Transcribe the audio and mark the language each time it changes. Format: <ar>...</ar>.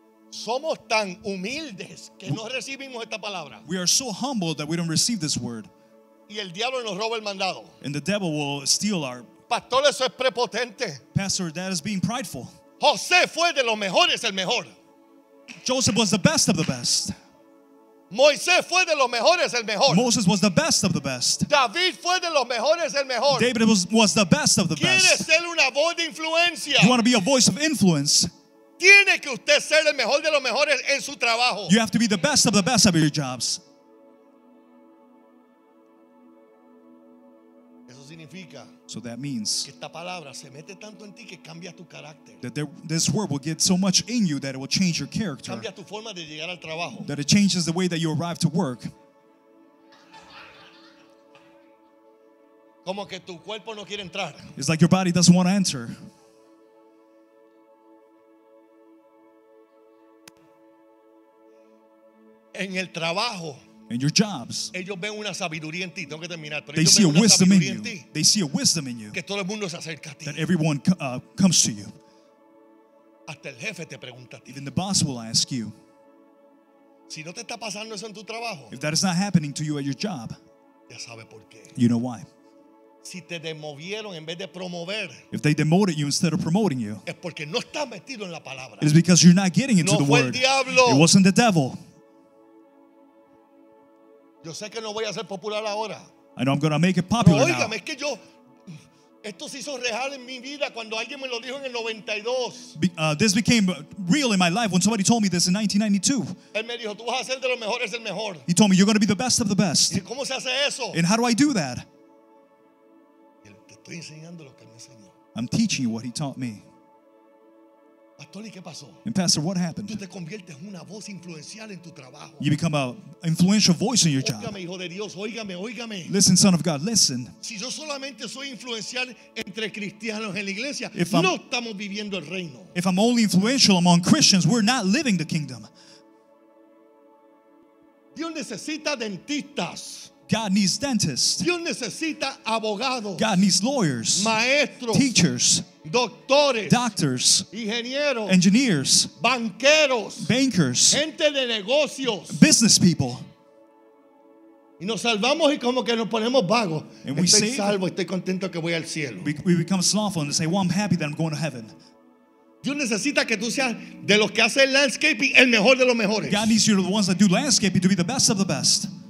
<es>Somos tan humildes que no recibimos esta palabra.</es> <en>We are so humble that we don't receive this word.</en> <es>Y el diablo nos roba el mandado.</es> <en>And the devil will steal our.</en> <es>Pastor, eso es prepotente.</es> <en>Pastor, that is being prideful.</en> <es>José fue de los mejores el mejor.</es> <en>Joseph was the best of the best.</en> <es>Moisés fue de los mejores el mejor.</es> <en>Moses was the best of the best.</en> <es>David fue de los mejores el mejor.</es> <en>David was the best of the best.</en> <es>¿Quieres ser una voz de influencia?</es> <en>You want to be a voice of influence?</en> <es>Tiene que usted ser el mejor de los mejores en su trabajo.</es> <en>You have to be the best of the best of your jobs. So that means that this word will get so much in you that it will change your character.</en> <es>Cambia tu forma de llegar al trabajo.</es> <en>That it changes the way that you arrive to work.</en> <es>Como que tu cuerpo no quiere entrar.</es> <en>It's like your body doesn't want to enter.</en> <es>En el trabajo.</es> <en>In your jobs.</en> <es>Ellos ven una sabiduría en ti. Tengo que terminar.</es> <en>They see a wisdom in you. They see a wisdom in you.</en> <es>Que todo el mundo se acerca a ti.</es> <en>That everyone comes to you.</en> <es>Hasta el jefe te pregunta.</es> <en>Even the boss will ask you.</en> <es>Si no te está pasando eso en tu trabajo,</es> <en>if that is not happening to you at your job,</en> <es>ya sabe por qué.</es> <en>You know why.</en> <es>Si te demovieron en vez de promover,</es> <en>if they demoted you instead of promoting you,</en> <es>es porque no estás metido en la palabra.</es> <en>It is because you're not getting into</en> <es>no</es> <en>the</en> <es>fue</es> <en>word.</en> <es>El diablo.</es> <en>It wasn't the devil.</en> <es>Yo sé que no voy a ser popular ahora.</es> <en>I know I'm going to make it popular.</en> <es>Pero oígame, es que yo, esto se hizo real en mi vida cuando alguien me lo dijo en el 92.</es> <en>This became real in my life when somebody told me this in 1992.</en> <es>Él me dijo, tú vas a ser de los mejores del mejor.</es> <en>He told me, you're going to be the best of the best.</en> <es>¿Y cómo se hace eso?</es> <en>And how do I do that?</en> <es>Te estoy enseñando lo que me enseñó.</es> <en>I'm teaching you what he taught me.</en> <es>Pastor, ¿y qué pasó?</es> <en>And pastor, what happened?</en> <es>Tú te conviertes en una voz influencial en tu trabajo.</es> <en>You become an influential voice in your</en> <es>oígame,</es> <en>job.</en> <es>Oígame, hijo de Dios, oígame, oígame.</es> <en>Listen, son of God, listen.</en> <es>Si yo solamente soy influencial entre cristianos en la iglesia, no estamos viviendo el reino.</es> <en>If I'm only influential among Christians, we're not living the kingdom.</en> <es>Dios necesita dentistas.</es> <en>God needs dentists.</en> <es>Dios necesita abogados.</es> <en>God needs lawyers.</en> <es>Maestros.</es> <en>Teachers.</en> <es>Doctores.</es> <en>Doctors.</en> <es>Ingenieros.</es> <en>Engineers.</en> <es>Banqueros.</es> <en>Bankers.</en> <es>Gente de negocios.</es> <en>Business people.</en> <es>Y nos salvamos y como que nos ponemos vagos. Estoy salvo, estoy contento que voy al cielo.</es> <en>We become slothful and say, well, I'm happy that I'm going to heaven.</en> <es>Dios necesita que tú seas de los que hacen landscaping el mejor de los mejores.</es> <en>God needs you to the ones that do landscaping to be the best of the best.</en>